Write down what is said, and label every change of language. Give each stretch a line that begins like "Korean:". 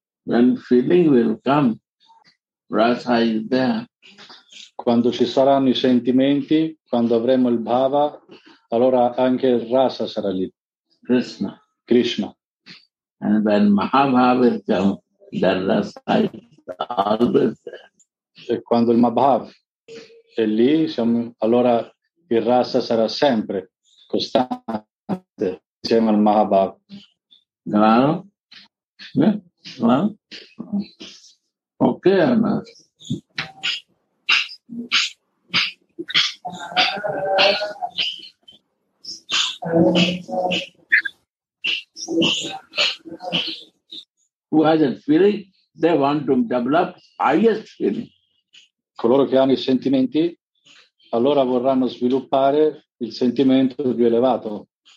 English: When feeling will come, rasa is there.
Italian: Quando ci saranno i sentimenti, quando avremo il bhava, allora anche il rasa sarà lì.
English: Krishna. Krishna. And when mahabhava will come, the rasa is always there.
Italian: E quando il mahabhava è lì, siamo, allora il rasa sarà sempre costante insieme al Mahabhav.
Spanish: Claro? Yeah. Claro? Ok, Anna.
English: Who has a feeling, they want to develop highest feeling.
Italian: Coloro che hanno i sentimenti, allora vorranno sviluppare il sentimento più elevato.